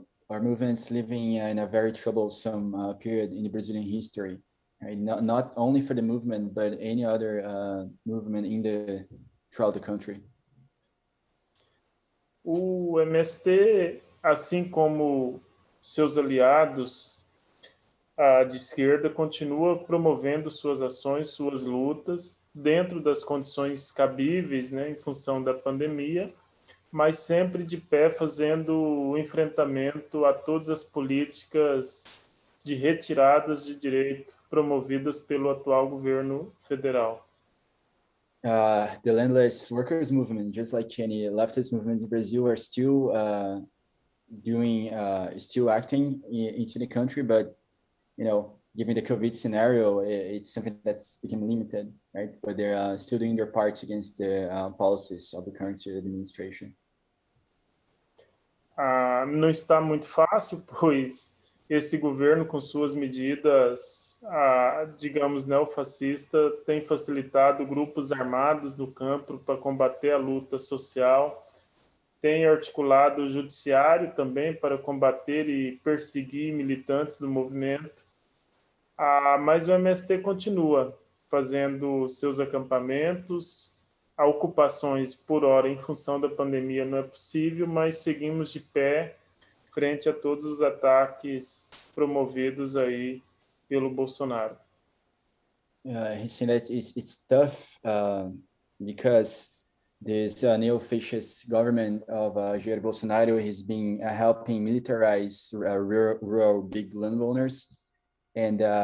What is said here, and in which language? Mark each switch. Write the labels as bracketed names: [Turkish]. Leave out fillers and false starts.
[English] Our movement's living in a very troublesome period in the Brazilian history, right? Not only for the movement, but any other movement in the throughout the country. [Portuguese] O MST, assim como seus aliados de esquerda, continua promovendo suas ações, suas lutas, dentro das condições cabíveis, né, em função da pandemia, mas sempre de pé fazendo o enfrentamento a todas as políticas de retiradas de direito promovidas pelo atual governo federal. [English] The Landless Workers Movement, just like any leftist movement in Brazil, are still still acting into the country, but, you know, given the COVID scenario, it's something that's become limited, right? But they're still doing their parts against the policies of the current administration. [Portuguese] Não está muito fácil, pois esse governo, com suas medidas, digamos, neofascista, tem facilitado grupos armados no campo para combater a luta social, tem articulado o judiciário também para combater e perseguir militantes do movimento. Mas o MST continua fazendo seus acampamentos, ocupações por hora em função da pandemia não é possível, mas seguimos de pé frente a todos os ataques promovidos aí pelo Bolsonaro. [English] He said that it's tough because this neo-fascist government of Jair Bolsonaro has been helping militarize rural big landowners and